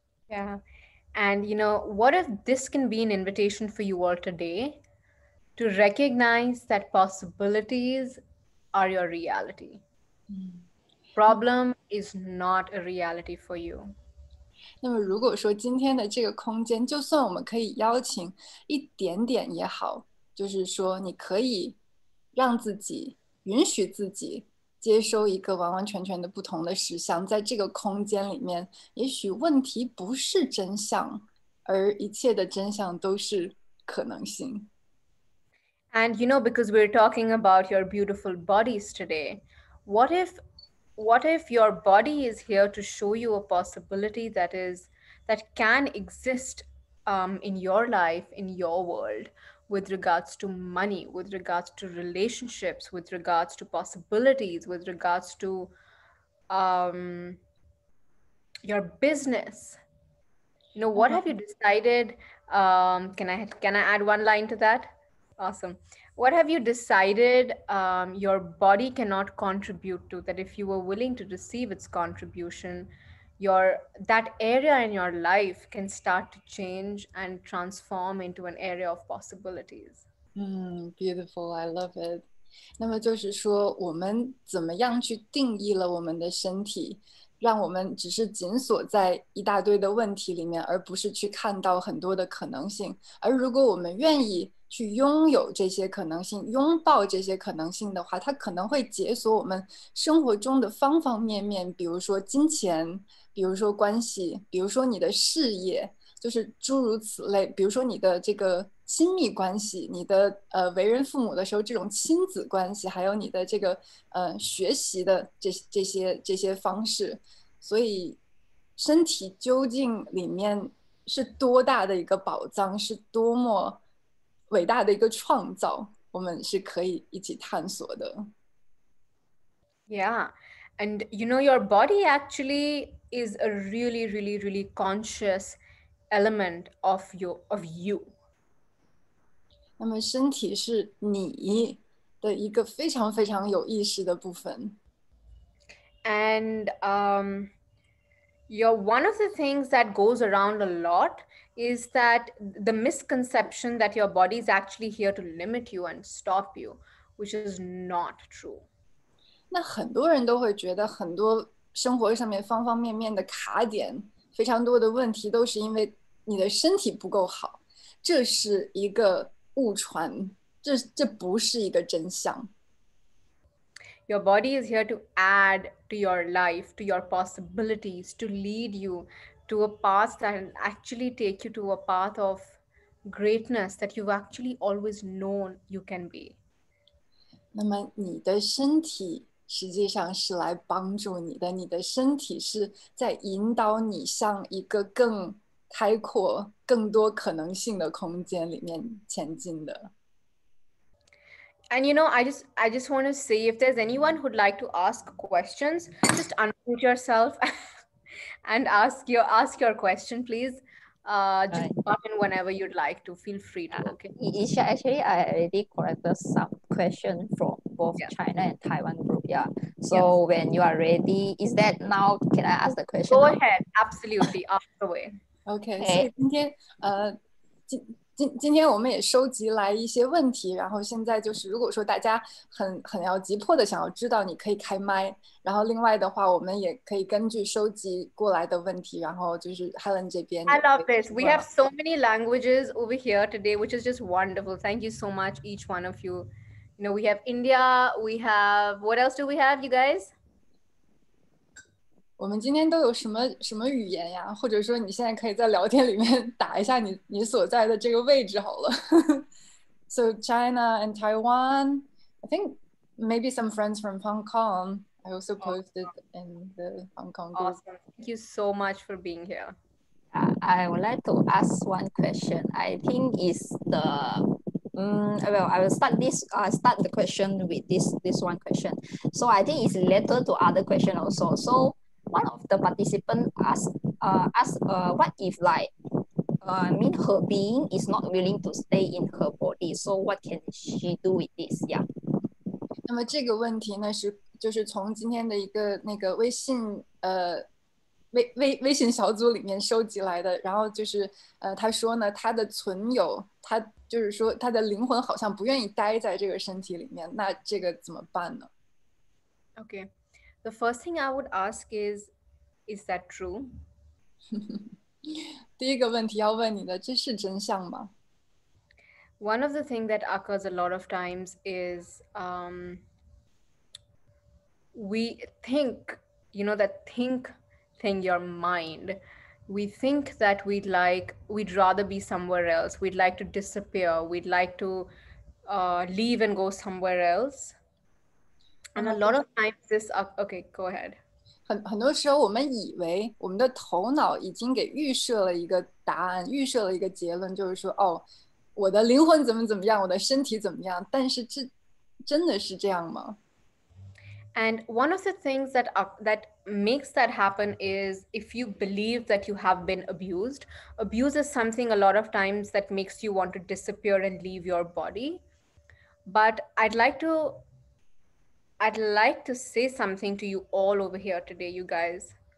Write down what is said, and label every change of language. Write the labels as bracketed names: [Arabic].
[English] Yeah, and you know, what if this can be an invitation for you all today to recognize that possibilities are your reality. Problem is not a reality for you. [Chinese] 那么如果说今天的这个空间，就算我们可以邀请一点点也好，就是说你可以让自己允许自己接收一个完完全全的不同的实相，在这个空间里面，也许问题不是真相，而一切的真相都是可能性。 [English] And you know, because we're talking about your beautiful bodies today, what if your body is here to show you a possibility that can exist in your life, in your world, with regards to money, with regards to relationships, with regards to possibilities, with regards to your business? You know, what have you decided? Can I add one line to that? Awesome. What have you decided your body cannot contribute to, that if you were willing to receive its contribution, that area in your life can start to change and transform into an area of possibilities. Beautiful, I love it. [Chinese] 那么就是说，我们怎么样去定义了我们的身体，让我们只是紧锁在一大堆的问题里面，而不是去看到很多的可能性。而如果我们愿意去拥有这些可能性，拥抱这些可能性的话，它可能会解锁我们生活中的方方面面，比如说金钱，比如说关系，比如说你的事业，就是诸如此类，比如说你的这个亲密关系，你的为人父母的时候这种亲子关系，还有你的这个学习的这些方式。所以身体究竟里面是多大的一个宝藏，是多么伟大的一个创造，我们是可以一起探索的。 [English] Yeah, and you know, your body actually is a really, really, really conscious element of you. [Chinese] 那么身体是你的一个非常非常有意识的部分。 [English] And you're one of the things that goes around a lot. Is that the misconception that your body is actually here to limit you and stop you, which is not true. [Chinese] 那很多人都会觉得很多生活上面方方面面的卡点，非常多的问题都是因为你的身体不够好，这是一个误传，这不是一个真相。 [English] Your body is here to add to your life, to your possibilities, to lead you. To a path that will actually take you to a path of greatness that you've actually always known you can be. [Chinese] 那么你的身体实际上是来帮助你的，你的身体是在引导你向一个更开阔、更多可能性的空间里面前进的。 [English] And you know, I just want to say, if there's anyone who'd like to ask questions, just unmute yourself. And ask your question, please. Just pop in whenever you'd like to. Feel free to. Okay. Isha, actually, I already collected some questions from both China and Taiwan group. Yeah. So when you are ready, is that now? Can I ask the question? Go ahead. Absolutely. Ask away. Okay. So today, [Chinese] 今天我们也收集来一些问题，然后现在就是如果说大家很要急迫的想要知道，你可以开麦，然后另外的话我们也可以根据收集过来的问题，然后就是 Helen 这边。 [English] I love this. We have so many languages over here today, which is just wonderful. Thank you so much, each one of you. You know, we have India, we have, what else do we have, you guys? [Chinese] 我们今天都有什么语言呀？或者说你现在可以在聊天里面打一下你所在的这个位置好了。 [English] So China and Taiwan, I think maybe some friends from Hong Kong. I also posted in the Hong Kong group. Awesome. Thank you so much for being here. I would like to ask one question. I think is the... I will start this. Start the question with this one question. So I think it's related to other question also. So... One of the participants asked, what if her being is not willing to stay in her body? So what can she do with this? Yeah. [Chinese] 那么这个问题呢是就是从今天的一个那个微信微信小组里面收集来的。然后就是他说呢，他的存有，他就是说他的灵魂好像不愿意待在这个身体里面。那这个怎么办呢 [English] ？Okay. The first thing I would ask is that true? [Chinese] 第一个问题要问你的，这是真相吗？ [English] One of the things that occurs a lot of times is we think, you know, that think thing, your mind, we think that we'd rather be somewhere else. We'd like to disappear. We'd like to leave and go somewhere else. And a lot of times this, okay, go ahead. [Chinese] 很多时候我们以为我们的头脑已经给预设了一个答案，预设了一个结论，就是说，哦，我的灵魂怎么怎么样，我的身体怎么样，但是这真的是这样吗？ [English] And one of the things that that makes that happen is if you believe that you have been abused. Abuse is something a lot of times that makes you want to disappear and leave your body. But I'd like to say something to you all over here today, you guys.